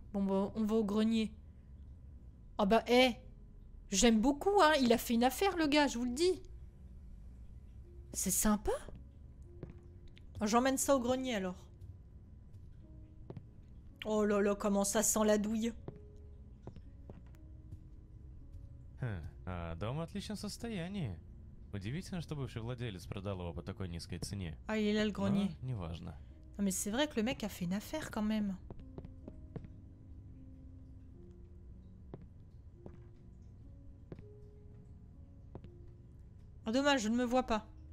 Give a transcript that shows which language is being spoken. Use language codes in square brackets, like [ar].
[fr] Bon bah on va au grenier. Ah bah hé! J'aime beaucoup hein, il a fait une affaire le gars, je vous le dis. C'est sympa. J'emmène ça au grenier alors. Oh là là, comment ça sent la douille. [ru] Дом в отличном состоянии. Удивительно, что бывший владелец продал его по такой низкой цене. [fr] Ah il est là le grenier. [ru] Неважно. [fr] Non mais c'est vrai que le mec a fait une affaire quand même. Oh, dommage, je ne me vois pas.